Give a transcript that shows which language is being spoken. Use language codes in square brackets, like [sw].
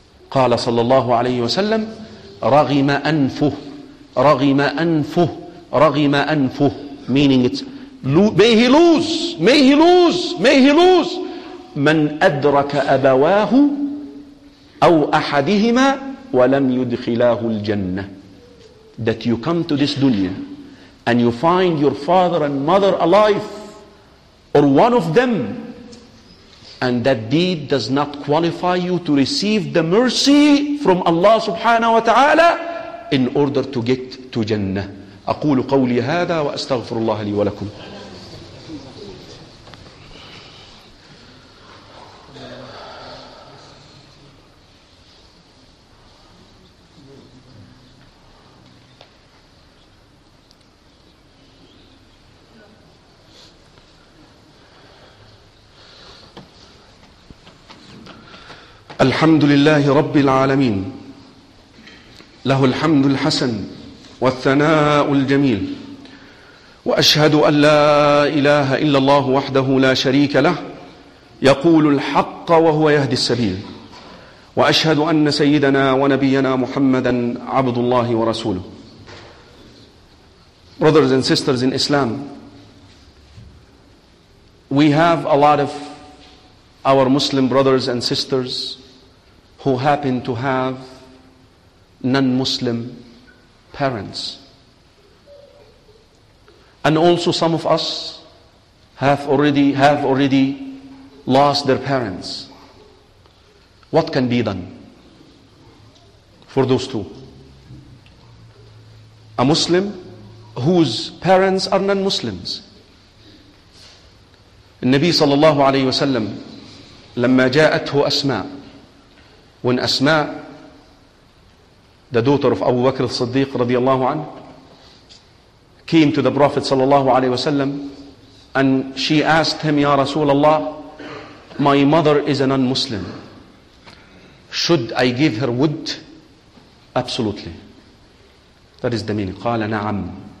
[ar] قال صلى الله عليه وسلم رغم أنفه رغم أنفه رغم أنفه, [en] meaning it's may he lose [ar] من أدرك أبواه أو أحدهما ولم يدخلاه الجنة. [en] That you come to this dunya and you find your father and mother alive or one of them, and that deed does not qualify you to receive the mercy from Allah subhanahu wa ta'ala in order to get to Jannah. [ar] أقول قولي هذا وأستغفر الله لي ولكم. الحمد لله رب العالمين له الحمد الحسن والثناء الجميل وأشهد أن لا إله إلا الله وحده لا شريك له يقول الحق وهو يهدي السبيل وأشهد أن سيدنا ونبينا محمدًا عبد الله ورسوله. [en] Brothers and sisters in Islam, we have a lot of our Muslim brothers and sisters who happen to have non-Muslim parents. And also some of us have already lost their parents. What can be done for those two? A Muslim whose parents are non-Muslims. [ar] النبي صلى الله عليه وسلم لما جاءته أسماء, [en] when Asma The daughter of Abu Bakr al-Siddiq radiallahu anhu came to the Prophet sallallahu alayhi wa sallam and she asked him, Ya Rasulullah, my mother is a non-Muslim. Should I give her wood? Absolutely. That is the meaning. [ar] قال نعم.